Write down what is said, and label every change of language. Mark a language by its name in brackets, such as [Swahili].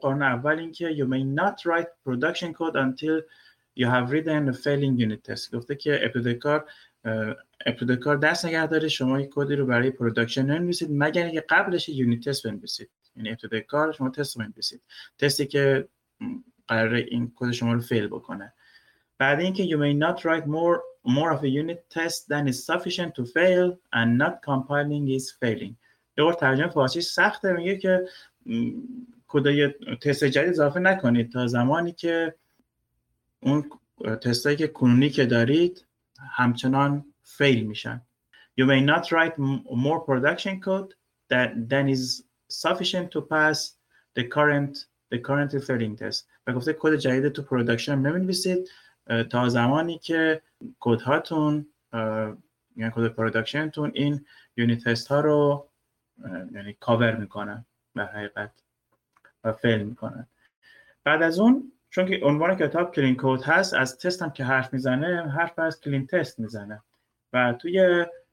[Persian] قانون اول این که [English] you may not write production code until you have written a failing unit test. [Persian] گفته که ابتدای کار دست نگه داره، شما یک کدی رو برای پروداکشن ننویسید مگر اینکه قبلش یونیت تست بنویسید. یعنی ابتدای کار شما تست بنویسید، تستی که قراره این کد شما رو فیل بکنه. بعد اینکه [English] you may not write more of a unit test than is sufficient to fail and not compiling is failing. [Persian] یه بار ترجمه فارسی سخته، میگه که کدای تست جدید اضافه نکنید تا زمانی که اون تستایی که کنونی که دارید همچنان فیل میشن. [English] You may not write more production code than is sufficient to pass the current failing test. [Persian] و گفته کد جدید تو پروداکشن هم نمینویسید تا زمانی که کد هاتون یعنی کد پروداکشن تون این یونیت تست ها رو یعنی کاور میکنن به حقیقت و فیل میکنن. بعد از اون چون که عنوان کتاب کلین کد هست، از تست هم که حرف میزنه، حرف از کلین تست میزنه و توی